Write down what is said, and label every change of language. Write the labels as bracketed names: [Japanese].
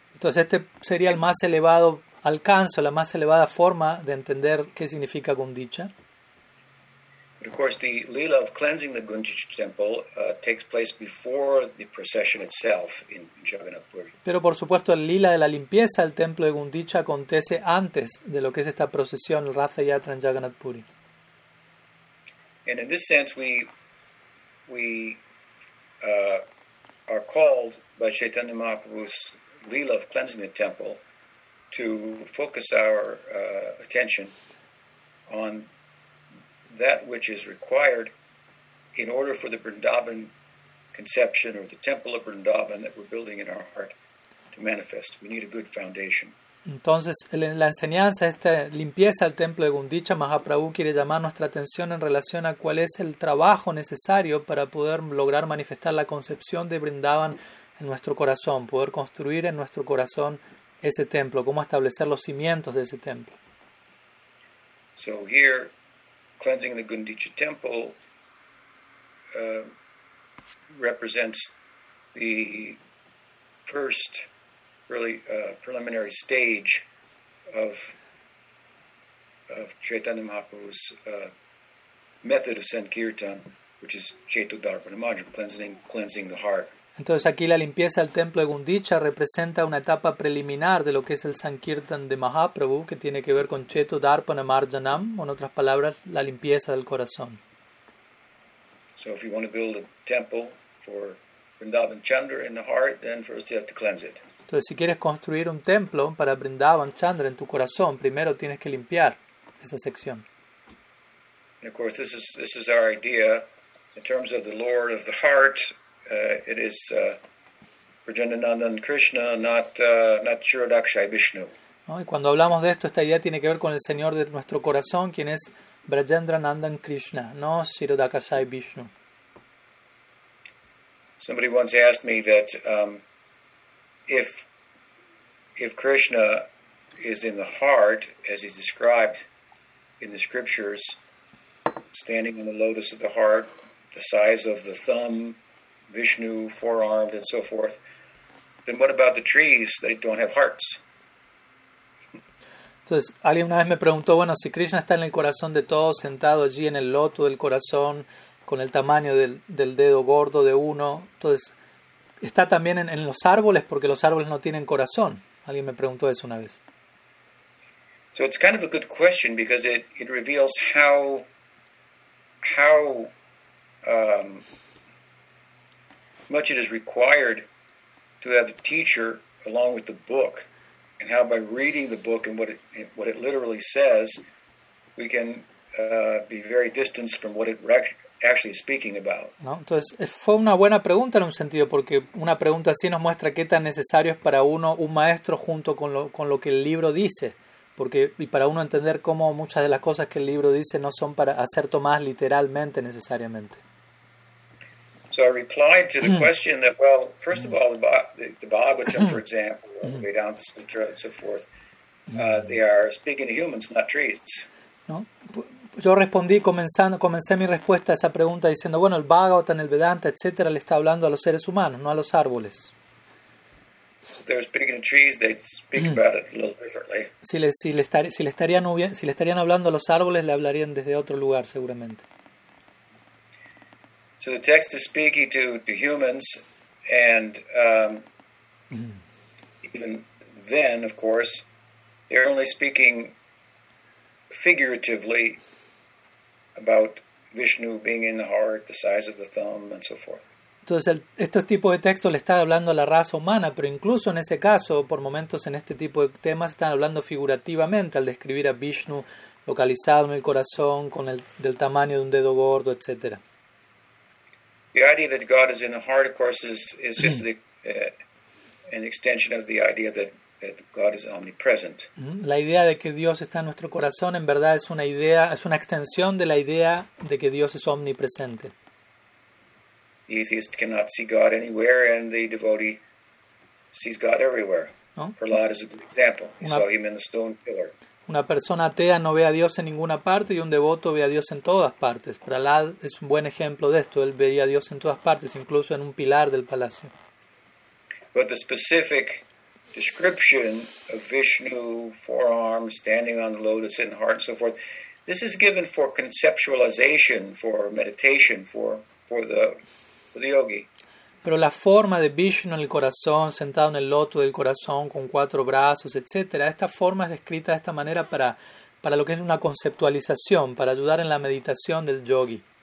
[Spanish] Entonces este sería el más elevado alcance, la más elevada forma de entender qué significa Gundicha. [English] Of course, the lila of cleansing the Gundicha temple takes place before the procession itself in Jagannath Puri. [Spanish] Pero por supuesto, el lila de la limpieza del templo de Gundicha acontece antes de lo que es esta procesión, el Ratha Yatra en Jagannath Puri. [English] And in this sense, we are called by Chaitanya Mahaprabhu's lila of cleansing the temple to focus our attention on that which is required in order for the Vrindavan conception or the temple of Vrindavan that we're building in our heart to manifest. We need a good foundation. [Spanish] Entonces, la enseñanza, esta limpieza del templo de Gundicha, Mahaprabhu quiere llamar nuestra atención en relación a cuál es el trabajo necesario para poder lograr manifestar la concepción de Vrindavan en nuestro corazón, poder construir en nuestro corazón ese templo, cómo establecer los cimientos de ese templo. [English] So here, cleansing the Gundicha temple represents the first really preliminary stage of Chaitanya Mahaprabhu's method of Sankirtan, which is Chaito Darpana Mantra, cleansing the heart. [Spanish] Entonces aquí la limpieza del templo de Gundicha representa una etapa preliminar de lo que es el Sankirtan de Mahaprabhu, que tiene que ver con Cheto Darpana Marjanam, o en otras palabras, la limpieza del corazón. [English] So if you want to build a temple for Vrindavan Chandra in the heart, then first you have to cleanse it. [Spanish] Entonces si quieres construir un templo para Vrindavan Chandra en tu corazón, primero tienes que limpiar esa sección. [English] And of course this is our idea in terms of the Lord of the Heart. it is Vrijendranandan Krishna, not Shirodakshay Vishnu. [Spanish] ¿No? Y cuando hablamos de esto, esta idea tiene que ver con el Señor de nuestro corazón, quien es Vrijendranandan Krishna, no Shirodakshay Vishnu. [English] Somebody once asked me that if Krishna is in the heart, as he's described in the scriptures, standing on the lotus of the heart, the size of the thumb, Vishnu, forearmed, and so forth, then what about the trees that don't have hearts? [Spanish] Entonces, alguien una vez me preguntó, bueno, si Krishna está en el corazón de todos, sentado allí en el loto del corazón, con el tamaño del dedo gordo de uno, entonces, ¿está también en los árboles? Porque los árboles no tienen corazón. Alguien me preguntó eso una vez. [English] So it's kind of a good question because it reveals how much it is required to have a teacher along with the book, and how by reading the book and what it literally says, we can be very distanced from what it actually is speaking about. [Spanish] No, entonces fue una buena pregunta en un sentido, porque una pregunta así nos muestra qué tan necesario es para uno un maestro junto con lo que el libro dice. Porque, y para uno entender cómo muchas de las cosas que el libro dice no son para hacer tomadas literalmente necesariamente. [English] So I replied to the question that, well, first of all, the Bhagavatam, for example, all the way down to Sutra and so forth, they are speaking to humans, not trees. [Spanish] No, yo respondí comencé mi respuesta a esa pregunta diciendo, bueno, el Bhagavatam, el Vedanta, etcétera, le está hablando a los seres humanos, no a los árboles. [English] They're speaking to trees, they speak about it a little differently. [Spanish] Si le estarían hablando a los árboles, le hablarían desde otro lugar, seguramente. [English] So the text is speaking to humans, and even then, of course, they're only speaking figuratively about Vishnu being in the heart, the size of the thumb, and so forth. [Spanish] Entonces, estos tipos de textos le están hablando a la raza humana, pero incluso en ese caso, por momentos en este tipo de temas, están hablando figurativamente al describir a Vishnu localizado en el corazón, con el del tamaño de un dedo gordo, etc. [English] The idea that God is in the heart, of course, is just an extension of the idea that God is omnipresent. [Spanish] La idea de que Dios está en nuestro corazón, en verdad, es una idea, es una extensión de la idea de que Dios es omnipresente. [English] The atheist cannot see God anywhere, and the devotee sees God everywhere. [Spanish] ¿No? [English] Prahlad is a good example. He saw him in the stone pillar. [Spanish] Una persona atea no ve a Dios en ninguna parte, y un devoto ve a Dios en todas partes. Prahlad es un buen ejemplo de esto. Él veía a Dios en todas partes, incluso en un pilar del palacio. [English] But the specific description of Vishnu, forearm, standing on the lotus, in the heart, and so forth, this is given for conceptualization, for meditation, for the yogi. [Spanish] Pero la forma de Vishnu en el corazón, sentado en el loto del corazón con cuatro brazos, etcétera, esta forma es descrita de esta manera para lo que es una conceptualización, para ayudar en la meditación del yogi.